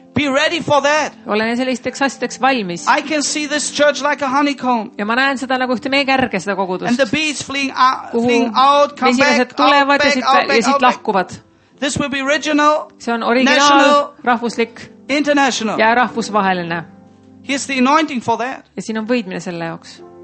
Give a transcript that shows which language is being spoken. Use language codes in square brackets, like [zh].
[en] Be ready for that. [et] Olen sellisteks asjadeks valmis. [en] I can see this church like a honeycomb. [et] Ja ma näen seda nagu ühte meekärge seda kogudust. [en] And the bees fleeing out, come back, [et] mesilased tulevad ja siit lahkuvad. [en] This will be original, [et] see on originaal, rahvuslik, [en] international. [et] Ja rahvusvaheline. [en] Here's the anointing for that. [et] Ja siin on võidmine selle jaoks.